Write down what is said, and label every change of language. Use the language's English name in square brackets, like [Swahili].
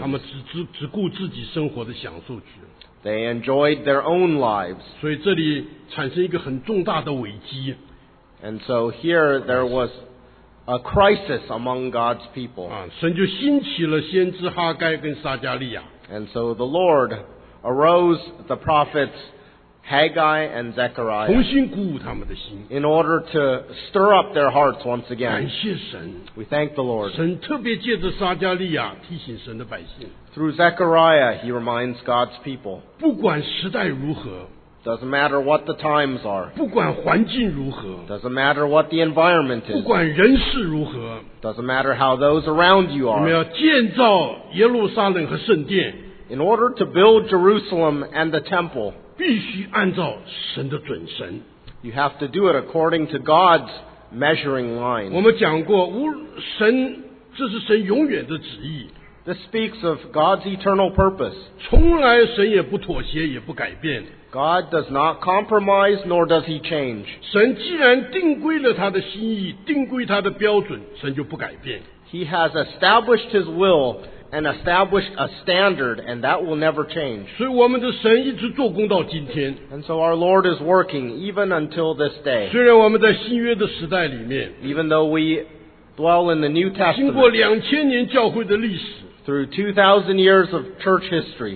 [Chinese] 他们只顾自己生活的享受去了。 [English] They enjoyed their own lives. [Chinese] 所以这里产生一个很重大的危机。 [English] And so here there was a crisis among God's people. [Chinese] 神就兴起了先知哈该跟撒加利亚。 [English] And so the Lord arose the prophets Haggai and Zechariah [Chinese] 重新鼓舞他们的心 [English] in order to stir up their hearts once again. [Chinese] 感谢神 [English] We thank the Lord. [Chinese] 神特别借着撒加利亚提醒神的百姓 [English] Through Zechariah, he reminds God's people. [Chinese] 不管时代如何 [English] Doesn't matter what the times are. [Chinese] 不管环境如何 [English] Doesn't matter what the environment is. [Chinese] 不管人事如何 [English] Doesn't matter how those around you are. [Chinese] 我们要建造耶路撒冷和圣殿 [English] In order to build Jerusalem and the temple. [Chinese] 必须按照神的准绳。 [English] You have to do it according to God's measuring line. [Chinese] 我们讲过，神这是神永远的旨意。 [English] This speaks of God's eternal purpose. [Chinese] 从来神也不妥协，也不改变。 [English] God does not compromise, nor does He change. [Chinese] 神既然定规了他的心意，定规他的标准，神就不改变。 [English] He has established His will. And establish a standard, and that will never change. [Chinese] 所以我们的神一直做工到今天。 [English] And so our Lord is working even until this day. [Chinese] 虽然我们在新约的时代里面。 [English] Even though we dwell in the New Testament. [Chinese] 经过两千年教会的历史。 [English] Through 2,000 years of church history.